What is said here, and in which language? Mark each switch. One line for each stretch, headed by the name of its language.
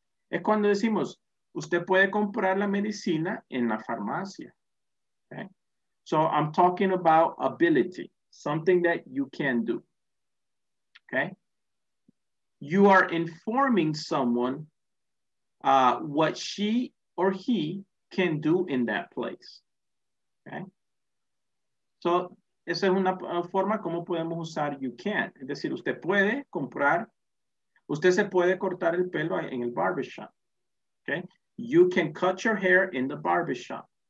Spanish: Es cuando decimos, usted puede comprar la medicina en la farmacia.
English: Okay. So I'm talking about ability, something that you can do. Okay. You are informing someone what she or he can do in that place.
Spanish: Okay. So, esa es una forma como podemos usar you can. Es decir, usted puede comprar, usted se puede cortar el pelo en el barbershop.
English: Okay. You can cut your hair in the barbershop.